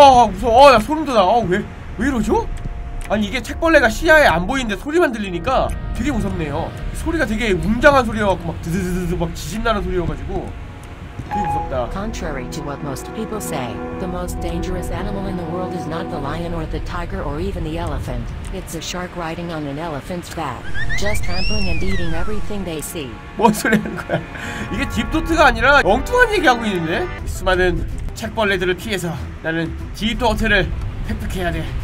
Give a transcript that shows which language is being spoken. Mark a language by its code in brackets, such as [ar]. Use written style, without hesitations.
[ko] 무서워. 야 소름 돋아. 왜 이러죠? 아니 이게 책벌레가 시야에 안 보이는데 소리만 들리니까 되게 무섭네요. 소리가 되게 웅장한 소리여가지고 막 드드드드 막 지진나는 소리여가지고 되게 무섭다. [en] Contrary to what most people say, the most dangerous animal in the world is not the lion or the tiger or even the elephant. It's a shark riding on an elephant's back, just trampling and eating everything they see. [ko] 뭔 소리 하는 거야? 이게 딥토트가 아니라 엉뚱한 얘기하고 있는데? 수많은 책벌레들을 피해서 나는 딥토트를 획득해야 돼.